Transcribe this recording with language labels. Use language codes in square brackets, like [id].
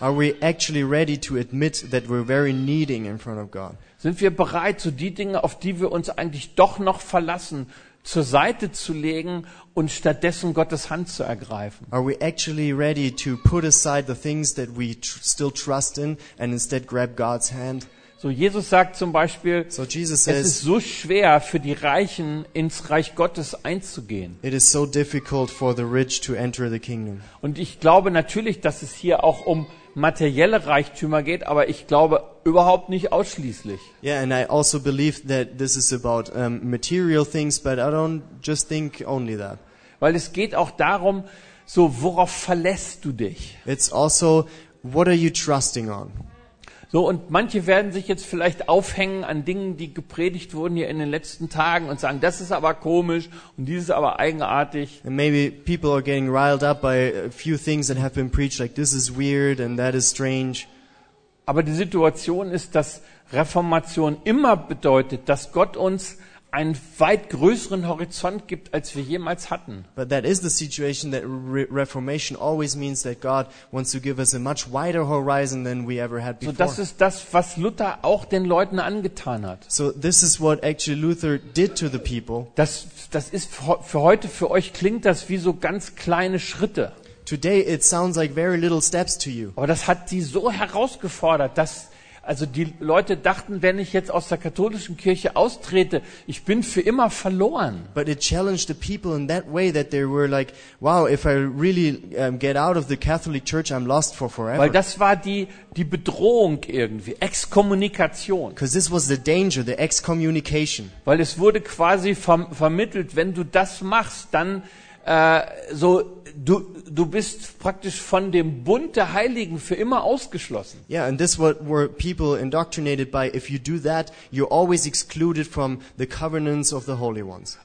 [en] Are we actually ready to admit that we're very needing in front of God? [de] Sind wir bereit, so die Dinge, auf die wir uns eigentlich doch noch verlassen, zur Seite zu legen und stattdessen Gottes Hand zu ergreifen? [en] Are we actually ready to put aside the things that we still trust in and instead grab God's hand? [de] So Jesus sagt zum Beispiel, [en] so Jesus says, [de] es ist so schwer für die Reichen ins Reich Gottes einzugehen. [en] It is so difficult for the rich to enter the kingdom. [de] Und ich glaube natürlich, dass es hier auch um materielle Reichtümer geht, aber ich glaube überhaupt nicht ausschließlich. [en] Yeah, and I also believe that this is about material things, but I don't just think only that. [de] Weil es geht auch darum, so worauf verlässt du dich? [en] It's also what are you trusting on? [de] So, und manche werden sich jetzt vielleicht aufhängen an Dingen, die gepredigt wurden hier in den letzten Tagen und sagen, das ist aber komisch und dies ist aber eigenartig. [en] And maybe people are getting riled up by a few things that have been preached, like this is weird and that is strange. [de] Aber die Situation ist, dass Reformation immer bedeutet, dass Gott uns einen weit größeren Horizont gibt, als wir jemals hatten. [en] But that is the situation that Reformation always means that God wants to give us a much wider horizon than we ever had before. [de] So das ist das, was Luther auch den Leuten angetan hat. [en] So this is what actually Luther did to the people. [de] Das ist für heute, für euch klingt das wie so ganz kleine Schritte. [en] Today it sounds like very little steps to you. [de] Aber das hat die so herausgefordert, dass Also die Leute dachten, wenn ich jetzt aus der katholischen Kirche austrete, ich bin für immer verloren. [en] But it challenged the people in that way that they were like, wow, if I really get out of the Catholic Church, I'm lost for forever. [de] Weil das war die Bedrohung irgendwie, Exkommunikation. [en] Because this was the danger, the excommunication. [de] Weil es wurde quasi vermittelt, wenn du das machst, dann so du bist praktisch von dem Bund der Heiligen für immer ausgeschlossen. [en] Yeah, and this what were people indoctrinated by, if you do that, you're always excluded from the covenants of the holy ones.